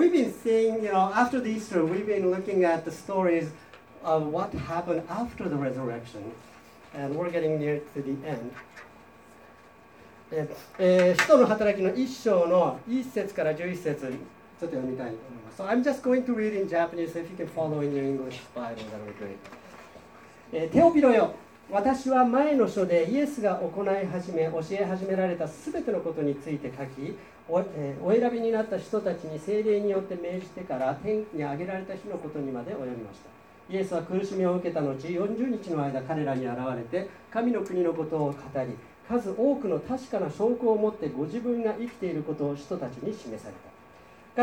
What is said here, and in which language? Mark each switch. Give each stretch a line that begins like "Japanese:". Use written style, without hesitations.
English: We've been seeing, you know, after the Easter, we've been looking at the stories of what happened after the resurrection, and we're getting near to the end.
Japanese: 使徒の働きの1章の1節から11節ちょっと読みたい。
English: So I'm just going to read in Japanese. If you can follow in your English Bible, that would be great.
Japanese: テオピロよ、私は前の書でイエスが行い始め教え始められたすべてのことについて書き、 お選びになった人たちに聖霊によって命じてから天に上げられた日のことにまで及びました。イエスは苦しみを受けた後40日の間彼らに現れて神の国のことを語り、数多くの確かな証拠を持ってご自分が生きていることを人たちに示された。